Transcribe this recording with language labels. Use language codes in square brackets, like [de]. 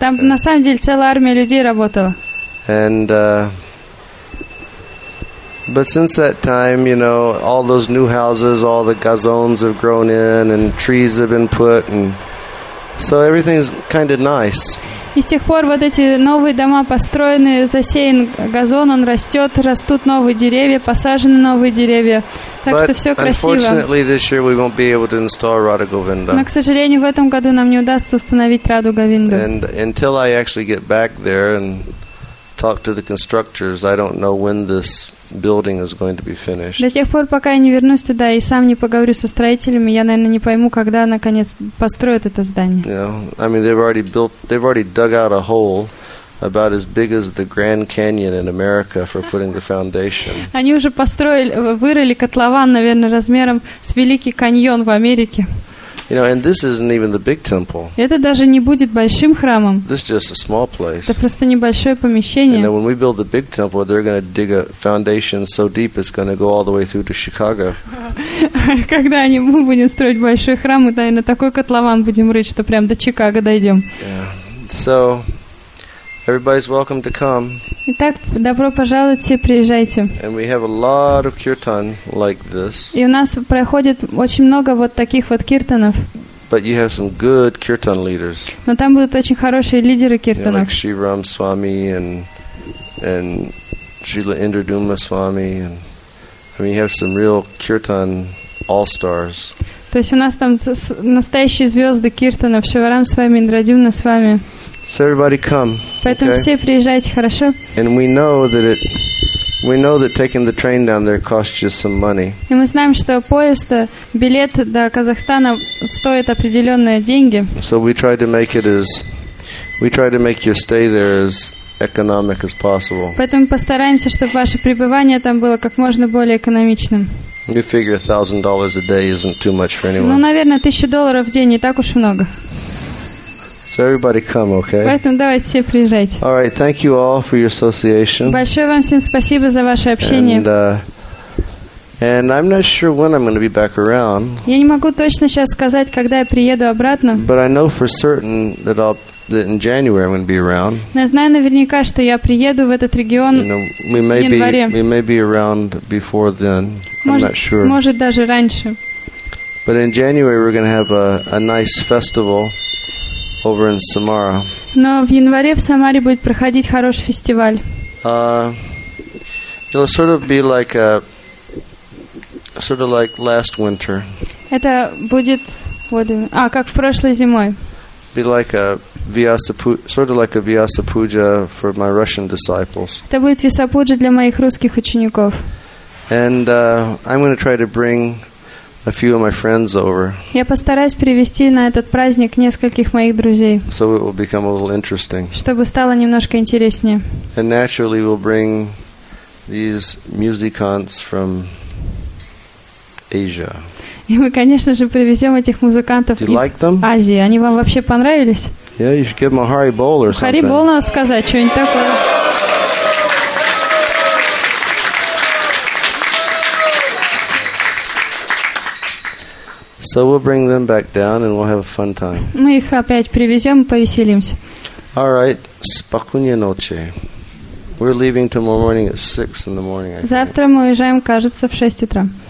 [ru] Там на самом деле целая армия людей работала. [en] And but since that time, you know, all those new houses, all the gazons have grown in, and trees have been put, and so everything's kind of nice. [ru] И с тех пор вот эти новые дома построены, засеян газон, он растет, растут новые деревья, посажены новые деревья. Так [en] But [ru] что все [en] unfortunately, [ru] красиво. [en] This year we won't be able to install Radha Govinda. [ru] Но, к сожалению, в этом году нам не удастся установить Раду Говинду. [en] And until I actually get back there and talk to the constructors, I don't know when this building is going to be finished. [ru] До тех пор, пока я не вернусь туда и сам не поговорю со строителями, я, наверное, не пойму, когда наконец построят это здание. [en] You know, I mean, they've already dug out a hole about as big as the Grand Canyon in America for putting the foundation. [ru] Они уже построили, вырыли котлован, наверное, размером с Великий каньон в Америке. [en] You know, and this isn't even the big temple. [ru] Это даже не будет большим храмом. [en] This is just a small place. [ru] Это просто небольшое помещение. [en] And then when we build the big temple, they're going to dig a foundation so deep it's going to go all the way through to Chicago. [ru] Когда мы будем строить большой храм, мы, наверное, такой котлован будем рыть, что прям до Чикаго дойдем. [en] Yeah. So everybody's welcome to come. [ru] Итак, добро пожаловать, все приезжайте. [en] And we have a lot of kirtan like this. [ru] И у нас проходит очень много вот таких вот киртанов. [en] But you have some good kirtan leaders. [ru] Но там будут очень хорошие лидеры киртанов. [en] Like Shri Ram Swami and Srila Indraduma Swami. And you have some real kirtan all-stars. [ru] То есть у нас там настоящие звезды киртанов, Шри Рам Свами, Индрадюмна Свами. [en] So everybody come. [ru] Поэтому [en] okay? [ru] Все приезжайте, хорошо? [en] And we know that taking the train down there costs you some money. [ru] И мы знаем, что поезд, билет до Казахстана стоит определенные деньги. [en] So we try to make your stay there as economic as possible. [ru] Поэтому постараемся, чтобы ваше пребывание там было как можно более экономичным. [en] We figure $1,000 a day isn't too much for anyone. [ru] Ну, наверное, $1,000 в день не так уж много. [en] So everybody come, okay? [ru] Поэтому давайте все приезжайте. [en] All right, thank you all for your association. [ru] Большое вам всем спасибо за ваше общение. [en] And I'm not sure when I'm going to be back around. [ru] Я не могу точно сейчас сказать, когда я приеду обратно. [en] But I know for certain that I'll that in January I'm going to be around. [ru] Не знаю наверняка, что я приеду в этот регион в январе. [en] We may be around before then. [ru] Может, [en] I'm not sure. [ru] Может даже раньше. [en] But in January we're going to have a nice festival over in Samara. [ru] Но в январе в Самаре будет проходить хороший фестиваль. [en] It'll sort of be like a sort of like last winter. [ru] Это будет вот как в прошлой зимой. [en] Be like a sort of like a Vyasa Puja for my Russian disciples. [ru] Это будет Vyasa Puja для моих русских учеников. [en] And I'm going to try to bring a few of my friends over. [ru] Я постараюсь привести на этот праздник нескольких моих друзей. [en] So it will become a little interesting. [ru] Чтобы стало немножко интереснее. [en] And naturally we'll bring these musicians from Asia. [ru] И мы, конечно же, привезем этих музыкантов из Азии. Они вам вообще понравились? [en] Yeah, you should give them a Hari Bol or something. [ru] Hari Bol надо сказать, что-нибудь такое. [en] So we'll bring them back down and we'll have a fun time. [ru] Мы их опять привезем и повеселимся. [en] All right. [ru] Спокойной ночи. [en] We're leaving tomorrow morning at 6 in the morning, I think. [ru] Завтра мы уезжаем, кажется, в 6 утра.